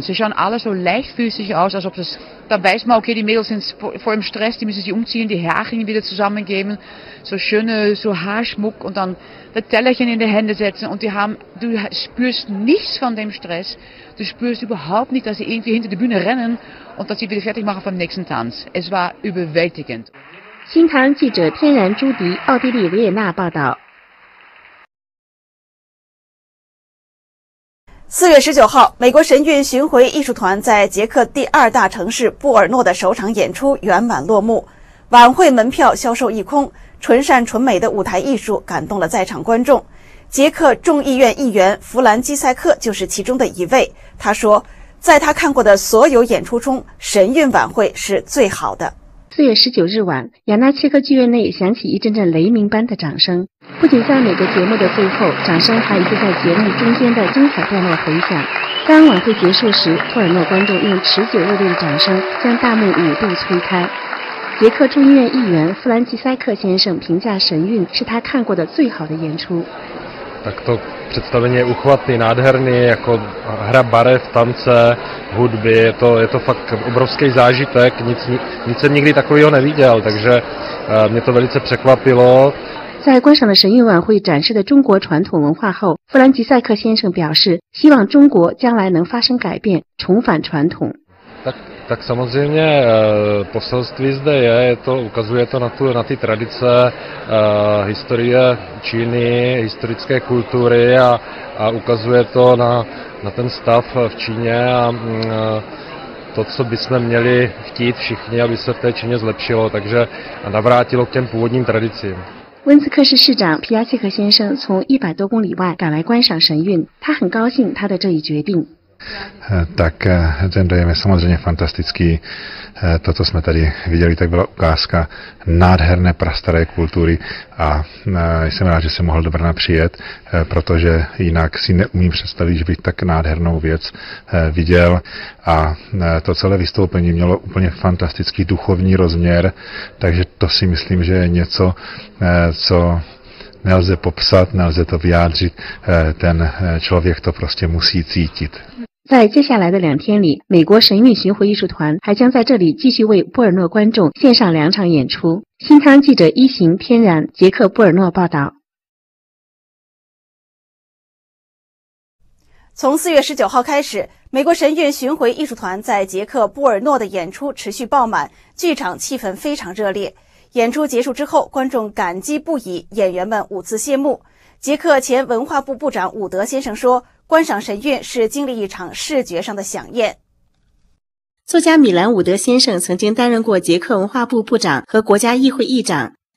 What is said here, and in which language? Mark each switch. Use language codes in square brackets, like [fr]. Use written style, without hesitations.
[de] Sie schauen alle so leichtfüßig aus, als ob das. Da weiß man, okay, die Mädels sind vor dem Stress, die müssen sich umziehen, die Haarchen wieder zusammengeben, so schöne so Haarschmuck und dann das Tellerchen in die Hände setzen und du spürst nichts von dem Stress, du spürst überhaupt nicht, dass sie irgendwie hinter die Bühne rennen und dass sie wieder fertig machen vom nächsten Tanz. Es war überwältigend. [zh] 新唐记者天然朱迪，奥地利维也纳报道。 4月19号，美国神韵巡回艺术团在捷克第二大城市布尔诺的首场演出圆满落幕，晚会门票销售一空，纯善纯美的舞台艺术感动了在场观众。捷克众议院议员弗兰基塞克就是其中的一位，他说，在他看过的所有演出中，神韵晚会是最好的。 4月19日晚，雅纳切克剧院内响起一阵阵雷鸣般的掌声，不仅在每个节目的最后，掌声还一直在节目中间的精彩段落回响。当晚会结束时，布尔诺观众用持久热烈的掌声将大幕五度推开。捷克众议院议员弗兰基塞克先生评价神韵是他看过的最好的演出。 [cs] Tak to představení je uchvatný, nádherný, jako hra barev, tance, hudby, je to fakt obrovský zážitek, nic jsem nikdy takového neviděl, takže mě to velice překvapilo. [zh] 在观赏了神韵晚会展示的中国传统文化后，弗兰吉塞克先生表示，希望中国将来能发生改变，重返传统。 [cs] Tak samozřejmě poselství zde ukazuje to na ty tradice, historie Číny, historické kultury a ukazuje to na ten stav v Číně a to, co bychom měli chtít všichni, aby se v té Číně zlepšilo, takže navrátilo k těm původním tradicím. [zh] 温兹克市市长皮亚切克先生从100多公里外赶来观赏神韵，他很高兴他的这一决定。 [cs] Tak ten dojem je samozřejmě fantastický. To, co jsme tady viděli, tak byla ukázka nádherné prastaré kultury a jsem rád, že jsem mohl do Brna přijet, protože jinak si neumím představit, že bych tak nádhernou věc viděl. A to celé vystoupení mělo úplně fantastický duchovní rozměr, takže to si myslím, že je něco, co nelze popsat, nelze to vyjádřit, ten člověk to prostě musí cítit. [zh] 在接下来的两天里，美国神韵巡回艺术团还将在这里继续为波尔诺观众献上两场演出。新汤记者一行天然捷克波尔诺报道。从4月19号开始，美国神韵巡回艺术团在捷克波尔诺的演出持续爆满，剧场气氛非常热烈。演出结束之后，观众感激不已，演员们舞姿谢幕。捷克前文化部部长伍德先生说：“观赏神韵是经历一场视觉上的飨宴。”作家米兰·伍德先生曾经担任过捷克文化部部长和国家议会议长。